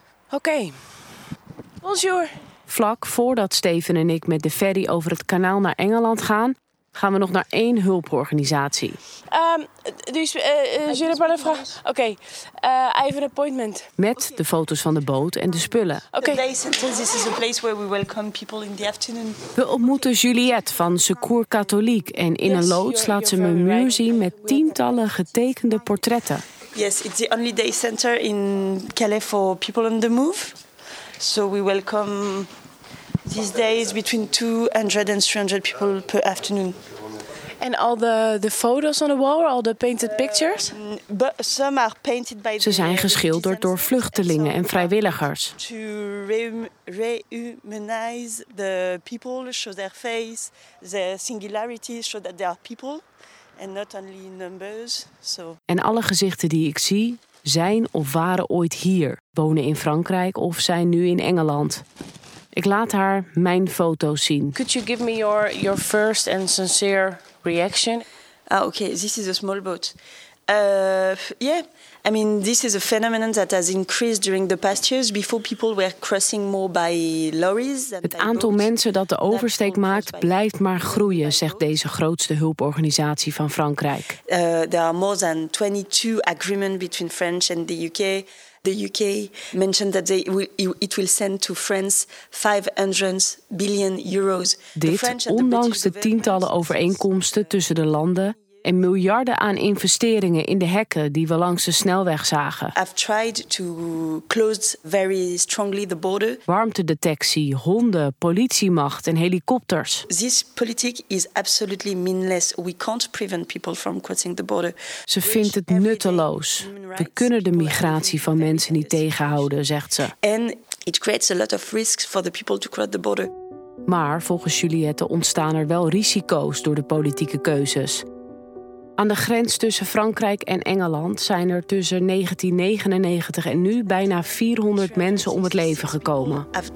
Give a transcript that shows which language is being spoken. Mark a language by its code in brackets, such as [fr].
[nl] Oké. Bonjour. Vlak voordat Steven en ik met de ferry over het kanaal naar Engeland gaan, gaan we nog naar één hulporganisatie. Je hebt een vraag. Oké. [en] I have an appointment. [nl] Met de foto's van de boot en de spullen. Oké. [en] This is a place where we welcome people in the afternoon. [nl] We ontmoeten Juliette van Secours Catholique en in een loods laat ze me een muur zien met tientallen getekende portretten. [en] Yes, it's the only day center in Calais for people on the move. So we welcome these days between 200 and 300 people per afternoon. And all the photos on the wall, or all the painted pictures? But some are painted by [nl] ze zijn geschilderd door vluchtelingen en vrijwilligers. [en] To rehumanize the people, show their face, their singularities, show that they are people and not only numbers. So. [nl] En alle gezichten die ik zie, zijn of waren ooit hier, wonen in Frankrijk of zijn nu in Engeland. Ik laat haar mijn foto's zien. [en] Could you give me your first and sincere reaction? Ah, okay, this is a small boat. Yeah, I mean, this is a phenomenon that has increased during the past years. Before, people were crossing more by lorries. [nl] Het aantal mensen dat de oversteek maakt, blijft maar groeien, zegt deze grootste hulporganisatie van Frankrijk. [en] There are more than 22 agreements between French and the UK. The UK mentioned that it will send to France 500 billion euros. [nl] Dit, ondanks de tientallen overeenkomsten tussen de landen en miljarden aan investeringen in de hekken die we langs de snelweg zagen. [en] I've tried to close very strongly the border. [nl] Warmtedetectie, honden, politiemacht en helikopters. [en] This politic is absolutely meaningless. We can't prevent people from crossing the border. [nl] Ze vindt het nutteloos. We kunnen de migratie van mensen niet tegenhouden, zegt ze. [en] And it creates a lot of risks for the people to cross the border. [nl] Maar volgens Juliette ontstaan er wel risico's door de politieke keuzes. Aan de grens tussen Frankrijk en Engeland zijn er tussen 1999 en nu bijna 400 mensen om het leven gekomen.